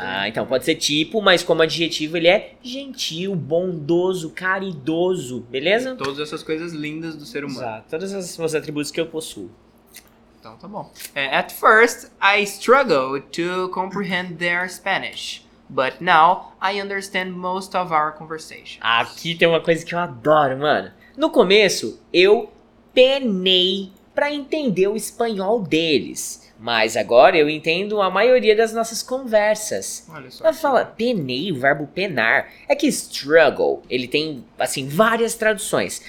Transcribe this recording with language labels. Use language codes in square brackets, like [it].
[pt] Então pode ser tipo, mas como adjetivo ele é gentil, bondoso, caridoso, beleza? E todas essas coisas lindas do ser humano. Exato, todos esses atributos que eu possuo. Então tá bom. [en] At first, I struggled to comprehend their Spanish. But now, I understand most of our conversations. [pt] Aqui tem uma coisa que eu adoro, mano. No começo, eu penei pra entender o espanhol deles. Mas agora eu entendo a maioria das nossas conversas. Olha só. Ela fala, penei, o verbo penar. É que struggle, ele tem, assim, várias traduções.